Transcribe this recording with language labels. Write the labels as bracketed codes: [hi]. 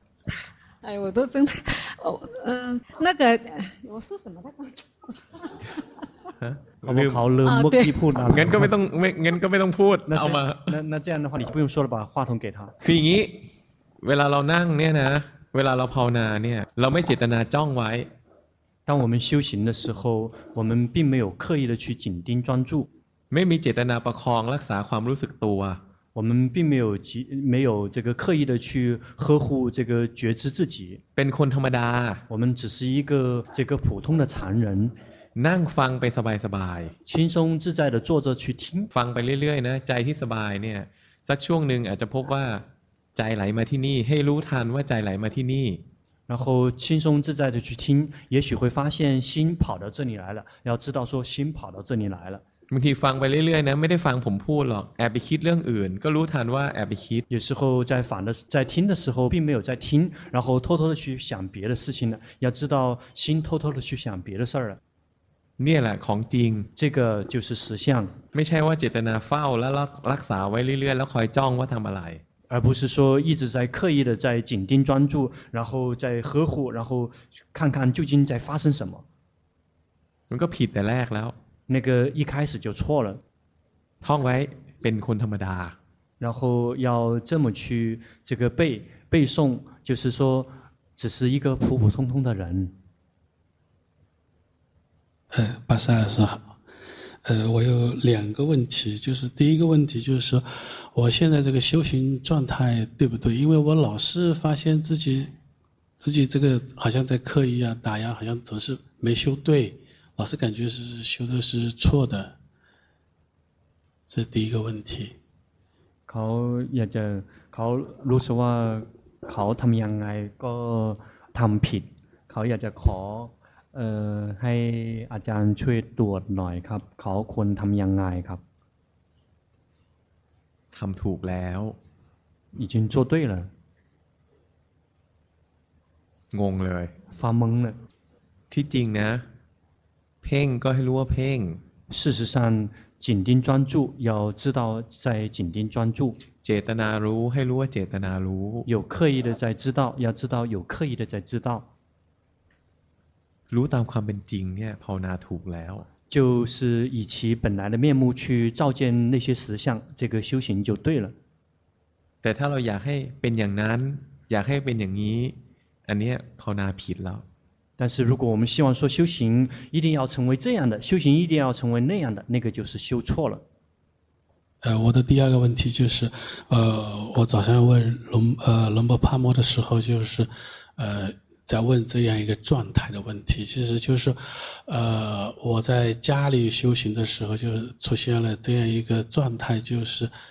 [zh] ๆ [th] ไอ้ [zh] 我都真的那个我说什么的 [th] ฮะเขาลืมเมื่อกี้พูด งั้นก็ไม่ต้องงั้นก็ไม่ต้องพูดเอามานั่นแจ้งนะพอดี [zh] 不用说了把话筒给他 [th] คืออย่างนี้เวลาเรานั่งเนี่ยนะเวลาเราภาวนาเนี่ยเราไม่เจตนาจ้องไว้ [zh] 当我们修行的时候我们并没有刻意的去紧盯专注 [th] ไม่มีเจตนาประคองรักษาความรู้สึกตัว [zh] 我们并没有这个刻意的去呵护这个觉知自己 [th] เป็นคนธรรมดา [zh] 我们只是一个这个普通的常人 [th] นั่งฟังไปสบาย [zh] ๆ轻松自在的坐着去听 [th] ฟังไปเรื่อยๆนะใจที่สบายเนี่ยสักช่วงหนึ่งอาจจะพบว่า [zh] 在来嘛 [th] ที่นี่ให้รู้ทันว่าใจไหลมาที่นี่ [zh] 然后轻松自在的去听也许会发现心跑到这里来了要知道说心跑到这里来了 [th] บางทีฟังไปเรื่อยๆนะไม่ได้ฟังผมพูดหรอกแอบไปคิดเรื่องอื่นก็รู้ทันว่าแอบไปคิด [zh] 有时候在反的在听的时候并没有在听然后偷偷的去想别的事情了要知道心偷偷的去想别的事儿了 [th] เนี่ยแหละของจริง [zh] 这个就是实相 [th] ไม่ใช่ว่าเจตนาเฝ้าแล้วรักษาไว้เรื่อยๆแล้วคอยจ้องว่าทำอะไร [zh] 而不是说一直在刻意的在紧盯专注然后在呵护然后看看究竟在发生什么 [th] มันก็ผิดแต่แรกแล้ว [zh] 那个一开始就错了 [th] ท่องไว้เป็นคนธรรมดา [zh] 然后要这么去这个背诵就是说只是一个普普通通的人巴萨老师好，我有两个问题，就是第一个问题就是说，我现在这个修行状态对不对？因为我老是发现自己这个好像在刻意啊打压，好像总是没修对，老是感觉是修的是错的，这是第一个问题。 [th] เขาอยากจะเขารู้สึกว่าเขาทำยังไงก็ทำผิดเขาอยากจะขอให้อาจารย์ช่วยตรวจหน่อยครับเขาควรทำยังไงครับ ทำถูกแล้ว [zh] 已经做对了 [th] งงเลย [zh] 发懵了 [th] ที่จริงนะเพ่งก็ให้รู้ว่าเพ่ง [zh] 事实上紧盯专注要知道在紧盯专注 [th] เจตนารู้ให้รู้ว่าเจตนารู้ [zh] 有刻意的在知道要知道有刻意的在知道 [th] รู้ตามความเป็นจริงเนี่ยภาวนาถูกแล้ว [zh] 就是以其本来的面目去照见那些实相这个修行就对了 [th] แต่ถ้าเราอยากให้เป็นอย่างนั้นอยากให้เป็นอย่างนี้อันนี้ภาวนาผิดแล้ว [zh] 但是如果我们希望说修行一定要成为这样的修行一定要成为那样的那个就是修错了我的第二个问题就是我早上问龙波帕摩的时候就是在问这样一个状态的问题，其实就是，我在家里修行的时候，就出现了这样一个状态，就是，